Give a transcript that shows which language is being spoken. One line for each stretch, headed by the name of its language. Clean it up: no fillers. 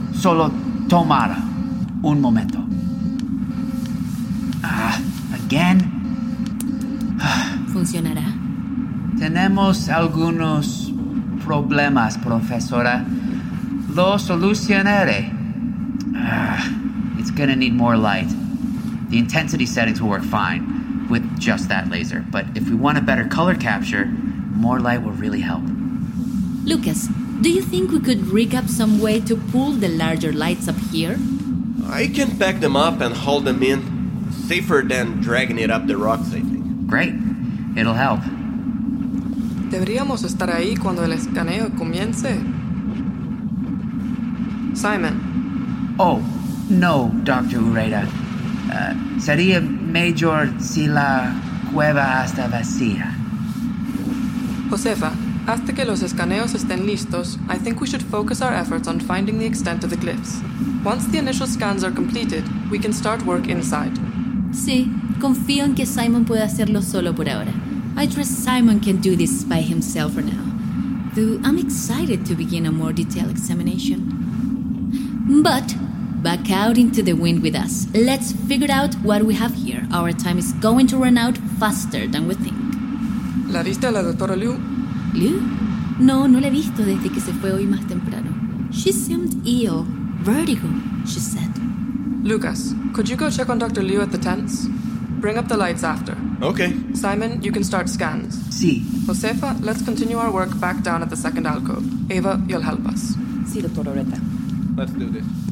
Spanish: Solo tomara un momento.
English: Again.
Spanish: ¿Funcionará? Tenemos algunos problemas, profesora. Lo solucionaré.
English: It's gonna need more light. The intensity settings will work fine with just that laser, but if we want a better color capture, more light will really help. Lucas, do you think we could rig up some way to pull the larger lights up here? I can pack them up and haul them in. Safer than dragging it up the rocks, I think. Great. It'll help.
Spanish: Deberíamos estar ahí cuando el escaneo comience.
English: Simon. Oh, no, Dr. Ureta.
Spanish: Sería mejor si la cueva está vacía. Josefa.
English: After
Spanish: que los escaneos estén listos,
English: I think we should focus our efforts on finding the extent of the glyphs. Once the initial scans are completed, we can start work inside.
Spanish: Sí, confío en que Simon pueda hacerlo solo por ahora.
English: I trust Simon can do this by himself for now. though I'm excited to begin a more detailed examination. But back out into the wind with us. Let's figure out what we have here. Our time is going to run out faster than we think.
Spanish: ¿La viste a la doctora Liu? Liu? No, no la he visto desde que se fue hoy más temprano.
English: She seemed ill. Vertigo, she said. Lucas, could you go check on Dr. Liu at the tents? Bring up the lights after. Okay. Simon, you can start scans.
Spanish: Sí.
English: Josefa, let's continue our work back down at the second alcove. Eva, you'll help us.
Spanish: Sí, doctora Oreta.
English: Let's do this.